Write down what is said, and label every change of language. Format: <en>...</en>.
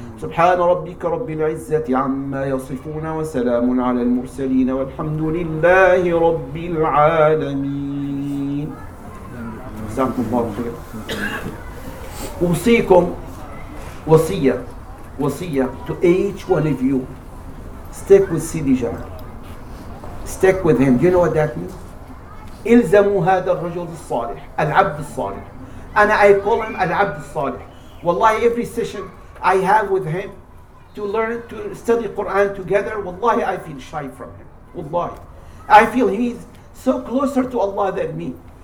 <ar>سبحان ربك رب العزة عما يصفون وسلام على المرسلين والحمد لله رب العالمين. جزاكم الله خير. أوصيكم وصية، وصية</ar> <en>to each one of you. Stick with Sidi Jamal. Stick with him. Do you know what that means?</en> <ar>إلزموا هذا الرجل الصالح، العبد الصالح.</ar> <en>And I call him Al-Abd al-Salih. Wallahi, every session I have with him to learn, to study Quran together, wallahi, I feel shy from him. Wallahi. I feel he's so closer to Allah than me.</en>